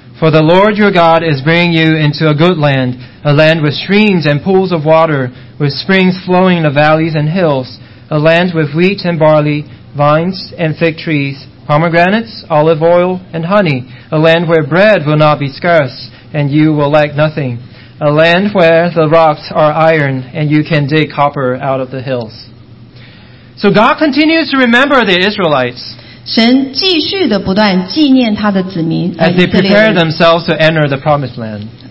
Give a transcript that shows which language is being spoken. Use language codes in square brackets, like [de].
[en] For the Lord your God is bringing you into a good land, a land with streams and pools of water, with springs flowing in the valleys and hills, a land with wheat and barley, vines and fig trees, pomegranates, olive oil, and honey, a land where bread will not be scarce, and you will lack nothing, a land where the rocks are iron, and you can dig copper out of the hills. So God continues to remember the Israelites. [zh] 神继续地不断纪念他的子民, [en] as they prepare themselves to enter the promised land.